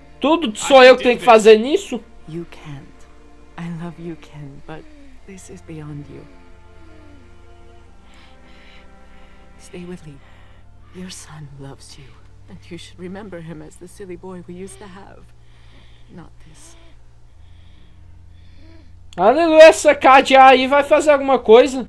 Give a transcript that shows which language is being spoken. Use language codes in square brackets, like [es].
[pt] Tudo sou eu que tenho que fazer nisso? [en] You can't. I love you, Ken, but this is beyond you. Stay with me. Your son loves you, and you should remember him as the silly boy we used to have. Not this. [pt] Aleluia, essa Kadia aí vai fazer alguma coisa.